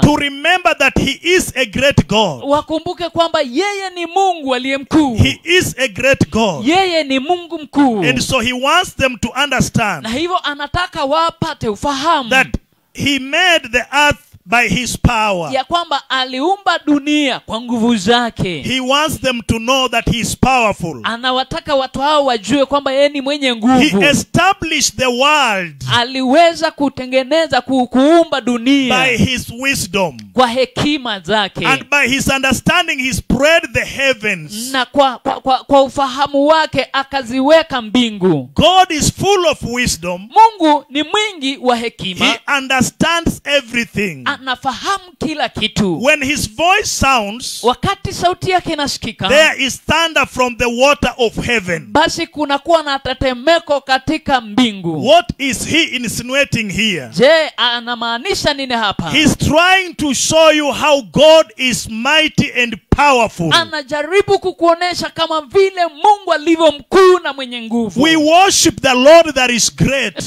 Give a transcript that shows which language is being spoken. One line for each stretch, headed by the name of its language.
English: To remember that he is a great God.
Swahili: Wakumbuke kwamba yeye ni Mungu aliye mkuu.
English: He is a great God.
Swahili: Yeye ni Mungu mkuu.
English: And so he wants them to understand.
Swahili: Na hivyo anataka wapate ufahamu.
English: That he made the earth by his power.
Swahili: Ya kwamba aliumba dunia kwa nguvu zake.
English: He wants them to know that he is powerful.
Swahili: Anawataka watu hao wajue kwamba yeye ni mwenye nguvu.
English: He established the world.
Swahili: Aliweza kutengeneza kuumba dunia.
English: By his wisdom.
Swahili: Kwa hekima zake.
English: And by his understanding he spread the heavens.
Swahili: Na kwa ufahamu wake akaziweka mbingu.
English: God is full of wisdom.
Swahili: Mungu ni mwingi wa hekima.
English: He understands everything.
Swahili: anafahamu kila kitu.
English: When his voice sounds,
Swahili: wakati sauti yake inasikika,
English: there is thunder from the water of heaven.
Swahili: Basi kunakuwa na tetemeko katika mbingu.
English: What is he insinuating here?
Swahili: Je, anamaanisha nini hapa?
English: He's trying to show you how God is mighty and powerful.
Swahili: Anajaribu kukuonesha kama vile Mungu alivyo mkuu na mwenye nguvu.
English: We worship the Lord that is great.